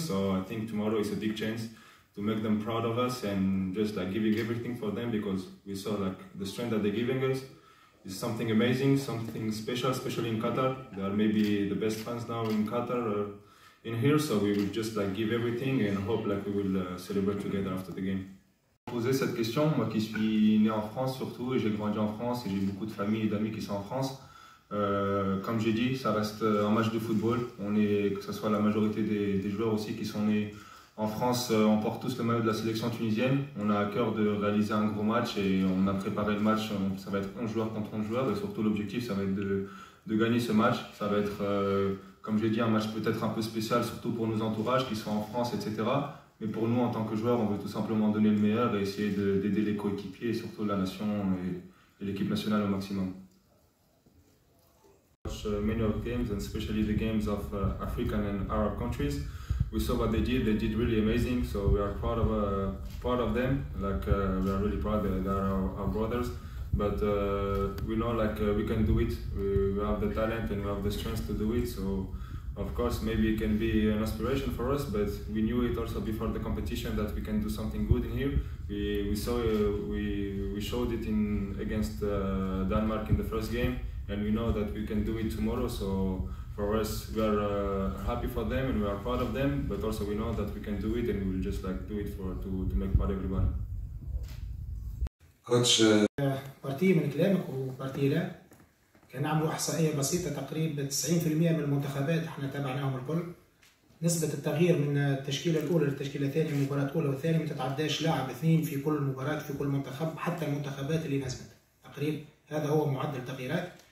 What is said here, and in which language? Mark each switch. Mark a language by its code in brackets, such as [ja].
[en] So I think tomorrow is a big chance to make them proud of us and just like giving everything for them, because we saw like the strength that they're giving us is something amazing, something special, especially in Qatar. They are maybe the best fans now in Qatar or in here. So we will just like give everything and hope like we will celebrate together after the game. [fr] Poser cette question, moi qui suis né en France surtout, et j'ai grandi en France et j'ai beaucoup de famille et d'amis qui sont en France. Comme j'ai dit, ça reste un match de football. Que ce soit la majorité des joueurs aussi qui sont nés en France, on porte tous le maillot de la sélection tunisienne. On a à cœur de réaliser un gros match et on a préparé le match. Ça va être 11 joueurs contre 11 joueurs et surtout l'objectif, ça va être de gagner ce match. Ça va être, comme j'ai dit, un match peut-être un peu spécial, surtout pour nos entourages qui sont en France, etc. Mais pour nous, en tant que joueurs, on veut tout simplement donner le meilleur et essayer d'aider les coéquipiers et surtout la nation et l'équipe nationale au maximum. [en] Many of games and especially the games of African and Arab countries, we saw what they did really amazing, so we are proud of them, like we are really proud that they are our brothers, but we know like we can do it, we have the talent and we have the strength to do it, so of course maybe it can be an inspiration for us, but we knew it also before the competition that we can do something good in here. We showed it in against Denmark in the first game. And we know that we can do it tomorrow. So for us, we are happy for them and we are proud of them. But also, we know that we can do it, and we will just like do it to make proud everyone. Coach. [fr] Partie [ar] من كلامك و [fr] partie [ar] لا. كنا عملوا إحصائية بسيطة تقريبا 90% من المنتخبات إحنا تابعناهم الكل. نسبة التغيير من التشكيلة الأولى للتشكيلة الثانية، مباراة أولى وثانية، ما تتعداش لاعب اثنين في كل مباراة في كل منتخب، حتى المنتخبات اللي نزلت تقريبا هذا هو معدل التغييرات.